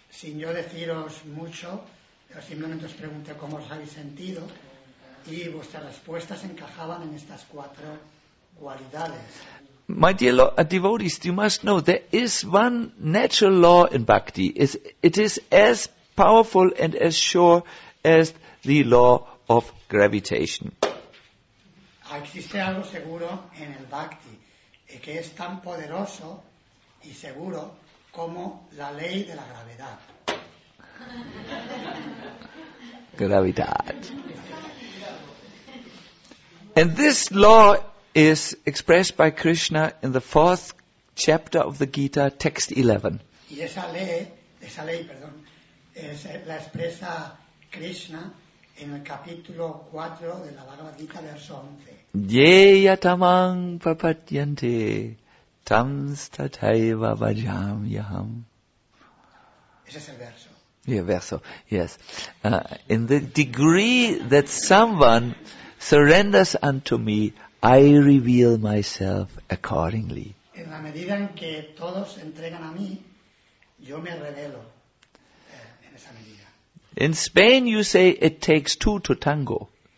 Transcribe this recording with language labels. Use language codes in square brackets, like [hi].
[es] Sin yo deciros mucho, yo simplemente os pregunté cómo os habéis sentido y vuestras respuestas encajaban en estas cuatro cualidades. [en] My dear devotees, you must know there is one natural law in bhakti. It is as powerful and as sure as the law of gravitation. [es] Existe algo seguro en el bhakti que es tan poderoso y seguro como la ley de la gravedad. Gravidad. [en] And this law is expressed by Krishna in the fourth chapter of the Gita, text 11. [es] Y esa ley, perdón, es la expresa Krishna en el capítulo 4 de la Bhagavad Gita, verso 11. [sa] Yeya tamam prapadyante tam stataiva vajamyaham. [es] Ese es el verso. [en] Yeah, verso, yes. In the degree that someone surrenders unto me, I reveal myself accordingly. [es] En la medida en que todos entregan a mí, yo me revelo en esa medida. [en] In Spain you say it takes two to tango.